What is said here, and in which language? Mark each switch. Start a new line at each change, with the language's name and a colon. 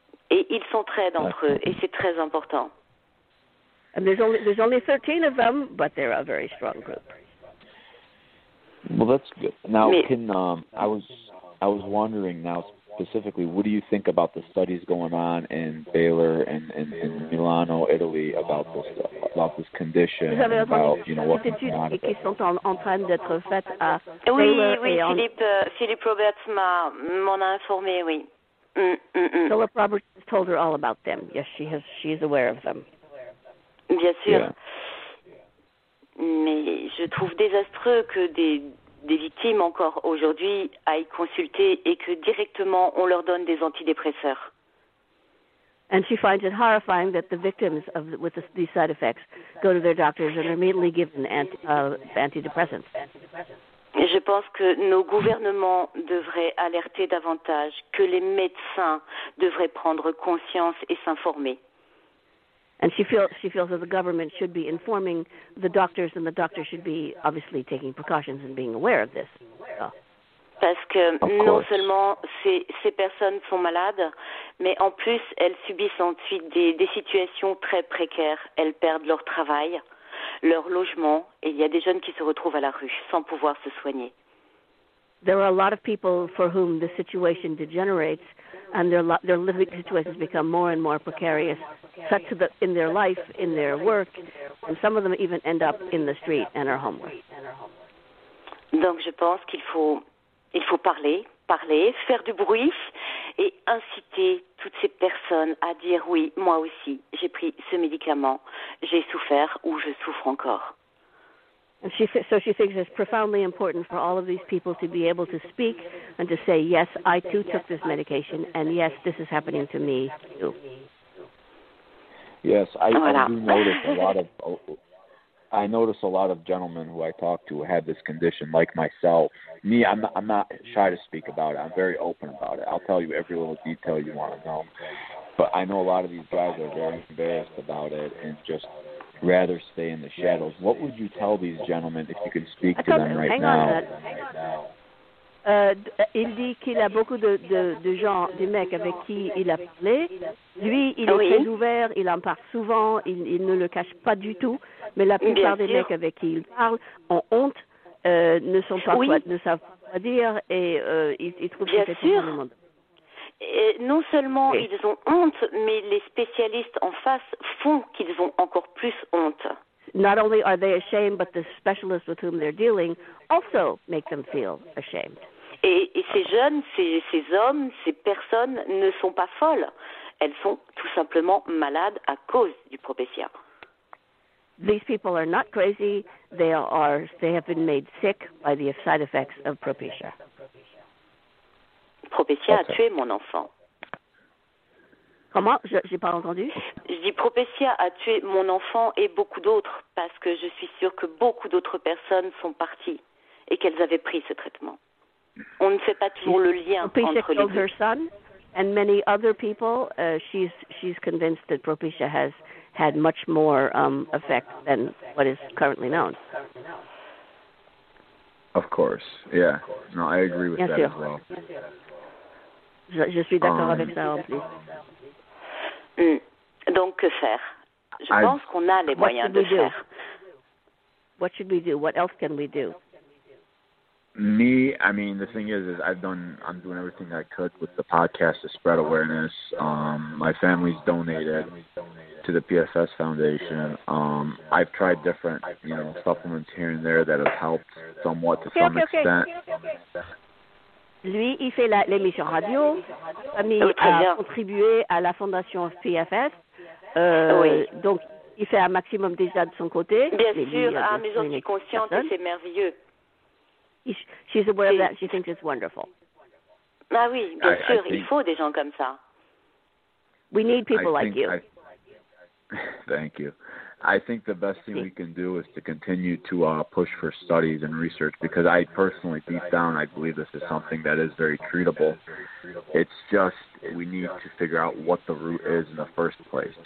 French: Et ils s'entraident entre eux, et c'est très important.
English: And there's only 13 of them, but they're a very strong group. Well, that's good. Now, I was wondering now specifically, what do you think about the studies going on in Baylor and Milano, Italy, about this condition, about, you know, what
French: qui sont en train d'être faites à Baylor. Oui, oui, Philippe Roberts m'en a informé, oui.
English: Philip Roberts has told her all about them. Yes, she has. She is aware of them.
French: Bien sûr.
English: Yeah.
French: Mais je trouve désastreux que des victimes encore aujourd'hui aillent consulter et que directement on leur donne des antidépresseurs.
English: And she finds it horrifying that the victims of with these side effects go to their doctors and are immediately given antidepressants.
French: Je pense que nos gouvernements devraient alerter davantage, que les médecins devraient prendre conscience et s'informer.
English: And she feels that the government should be informing the doctors, and the doctors should be obviously taking precautions and being aware of this. So.
French: Parce que non seulement ces personnes sont malades, mais en plus elles subissent ensuite des situations très précaires. Elles perdent leur travail, leur logement, et il y a des jeunes qui se retrouvent à la rue sans pouvoir se soigner.
English: There are a lot of people for whom the situation degenerates and their living situations become more and more precarious, such that in their life, in their work, and some of them even end up in the street and are homeless.
French: Donc je pense qu'il faut parler, faire du bruit et inciter toutes ces personnes à dire oui, moi aussi, j'ai pris ce médicament, j'ai souffert ou je souffre encore.
English: And she thinks it's profoundly important for all of these people to be able to speak and to say yes, I too took this medication and yes, this is happening to me too. Yes, I notice a lot of gentlemen who I talk to have this condition, like myself. Me, I'm not shy to speak about it. I'm very open about it. I'll tell you every little detail you want to know. But I know a lot of these guys are very embarrassed about it and just rather stay in the shadows. What would you tell these gentlemen if you could speak to them right now? Hang on.
French: Il dit qu'il a beaucoup de gens, des mecs avec qui il a parlé. Lui, il est très ouvert, il en parle souvent, il ne le cache pas du tout. Mais la plupart des mecs avec qui il parle ont honte, ne sont pas quoi, ne savent pas quoi dire et ils trouvent que c'est tout le monde. Et non seulement ils ont honte, mais les spécialistes en face font qu'ils ont encore plus honte.
English: Not only are they ashamed, but the specialists with whom they're dealing also make them feel ashamed.
French: Et ces jeunes, ces hommes, ces personnes ne sont pas folles. Elles sont tout simplement malades à cause du propétia.
English: These people are not crazy. They have been made sick by the side effects of propétia.
French: Propétia a tué mon enfant. Comment? Je n'ai pas entendu. Je dis propétia a tué mon enfant et beaucoup d'autres parce que je suis sûre que beaucoup d'autres personnes sont parties et qu'elles avaient pris ce traitement. On ne fait pas toujours le lien propétia entre les deux.
English: Propétia
French: a tué son
English: and many other people. She's convinced that propétia has had much more effect than what is currently known. Of course. Yeah. No, I agree with that as well.
French: Je suis d'accord avec ça en plus. Donc, que faire? Je pense qu'on a les moyens de faire.
English: What should we do? What else can we do? Me, I mean, the thing is I'm doing everything I could with the podcast to spread awareness. My family's donated to the PFS Foundation. I've tried different, you know, supplements here and there that have helped somewhat to some extent.
French: Lui, il fait l'émission radio. Sa famille a contribué à la fondation PFS. Donc, il fait un maximum déjà de son côté. Mais j'en suis consciente et c'est merveilleux.
English: She's aware of that. She thinks it's wonderful.
French: Ah oui, bien sûr, il faut des gens comme ça.
English: We need people like you. Thank you. I think the best thing we can do is to continue to push for studies and research because I personally, deep down, I believe this is something that is very treatable. It's just we need to figure out what the root is in the first place.